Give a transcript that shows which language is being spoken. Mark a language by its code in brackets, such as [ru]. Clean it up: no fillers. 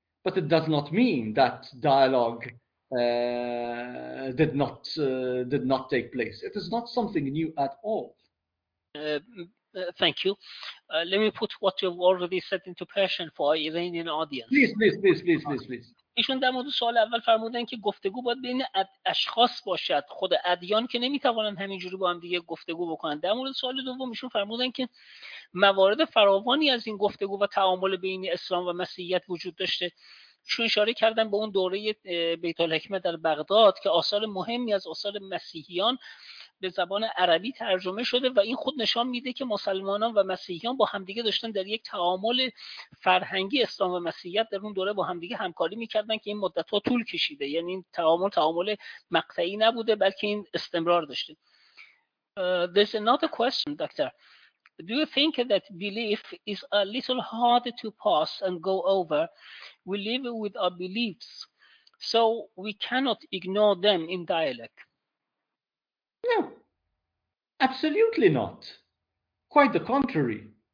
[en] But it does not mean that dialogue did not take place. It is not something new at all. Thank you. Let me put what you've already said into Persian for our Iranian audience. Please. [fa] ایشون در مورد سوال اول فرمودن که گفتگو باید بین اشخاص باشد، خود ادیان که نمیتوانند همینجوری با هم دیگه گفتگو بکنند. در مورد سوال دوم ایشون فرمودن که موارد فراوانی از این گفتگو و تعامل بین اسلام و مسیحیت وجود داشته، چون اشاره کردن به اون دوره بیت الحکمه در بغداد که آثار مهمی از آثار مسیحیان به زبان عربی ترجمه شده و این خود نشان میده که مسلمانان و مسیحیان با همدیگه داشتن در یک تعامل فرهنگی اسلام و مسیحیت در اون دوره با همدیگه همکاری میکردن که این مدت‌ها طول کشیده، یعنی این تعامل مقطعی نبوده بلکه این استمرار داشته. [en] There's another question, doctor. Do you think that belief is a little hard to pass and go over? We live with our beliefs, so we cannot ignore them in dialect. No, absolutely not. Quite the contrary.